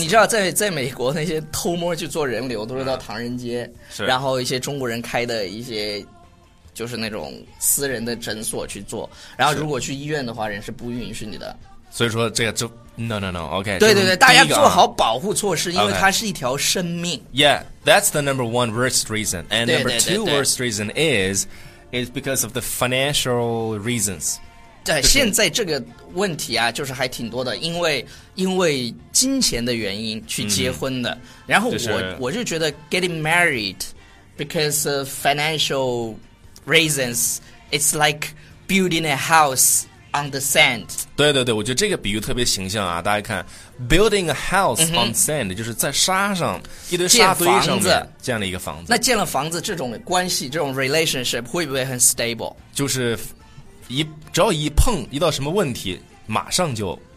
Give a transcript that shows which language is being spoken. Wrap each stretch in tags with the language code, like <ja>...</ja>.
<zh>你知道在美国那些偷摸去做人流都是到唐人街，是，然后一些中国人开的一些。就是那种私人的诊所去做，然后如果去医院的话，人是不允许你的。所以说这个就 no，OK。对对对，大家做好保护措施，因为它是一条生命。</zh> <en>Okay. Yeah, that's the number one worst reason, and number two worst reason is because of the financial reasons.</en> <zh>对，现在这个问题啊，就是还挺多的，因为金钱的原因去结婚的。然后我就觉得</zh> <en>getting married because of financial reasons, it's like building a house on the sand.</en> <zh>对对对，我觉得这个比喻特别形象啊！大家看 ，</zh> <en>building a house on sand，</en> <zh>就是在沙上一堆沙堆上面建了一个房子。那建了房子，这种关系，这种 relationship 会不会很 stable？就是只要一到什么问题，马上就。</zh>